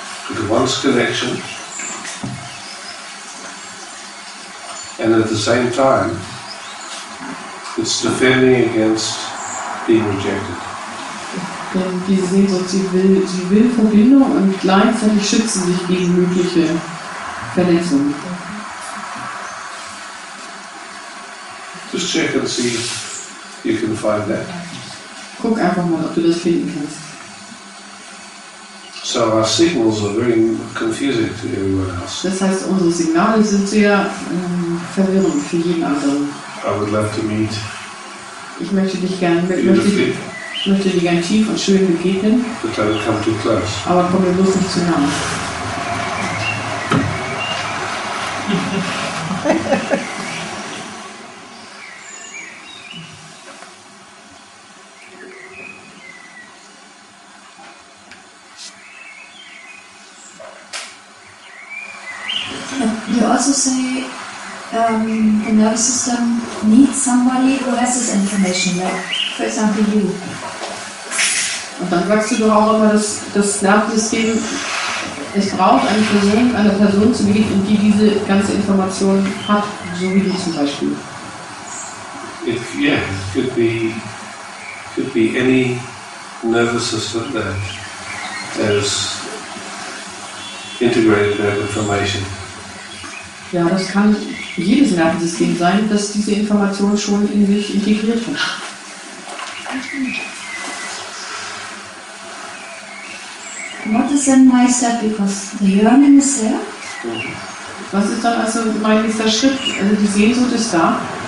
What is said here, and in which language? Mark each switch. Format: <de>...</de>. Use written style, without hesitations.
<en>It wants connection, and at the same time, it's defending against being rejected.</en> <de>Denn diese Sehnsucht, sie will Verbindung und gleichzeitig schützt sie sich gegen mögliche Verletzungen.</de> <en>Just check and see if you can find that.</en> <de>Guck einfach mal, ob du das finden kannst.</de> <en>So our signals are very confusing to everyone else.</en> <de>Das heißt, unsere Signale sind sehr verwirrend für jeden anderen.</de> <en>I would love to meet.</en> <de>Ich möchte dich gerne möchte dir gerne tief und schön begegnen.</de> <en>But I will come too close.</en> <de>Aber komm mir bloß nicht zu nah.</de> <en>You also say the nervous system needs somebody who has this information, like for example you.</en> <de>Und dann sagst du doch auch immer, dass das Nervensystem, es braucht eine Person zu begegnen, die diese ganze Information hat, so wie du zum Beispiel.</de> <en>It could be any nervous system that has integrated that information.</en> <de>Ja, das kann jedes Nervensystem sein, das diese Information schon in sich integriert hat.</de> <en>What is then my step? Because the yearning is there.</en> <de>Was ist dann also mein nächster Schritt? Also die Sehnsucht ist da.</de>